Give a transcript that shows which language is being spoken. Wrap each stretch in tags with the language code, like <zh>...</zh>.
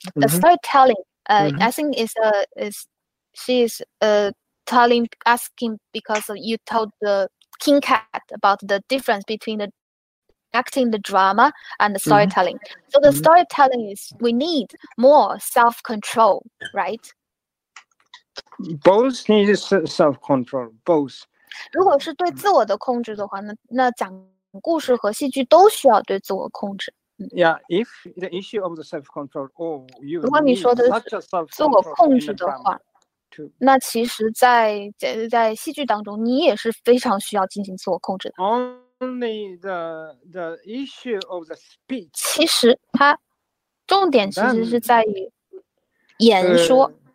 <en>The storytelling, I think she is asking because you told the King Cat about the difference between the acting the drama and the storytelling. So the storytelling is we need more self-control, right? Both need self-control, both.</en> <zh>如果是对自我的控制的话，那讲。故事和戏剧都需要对自我控制。</zh> <en>Yeah, if the issue of the self-control, or you,</en> <zh>如果你说的是自我控制的话，那其实在戏剧当中，你也是非常需要进行自我控制的。</zh> <en>Only the issue of the speech.</en> <zh>其实它重点其实是在于演说。</zh>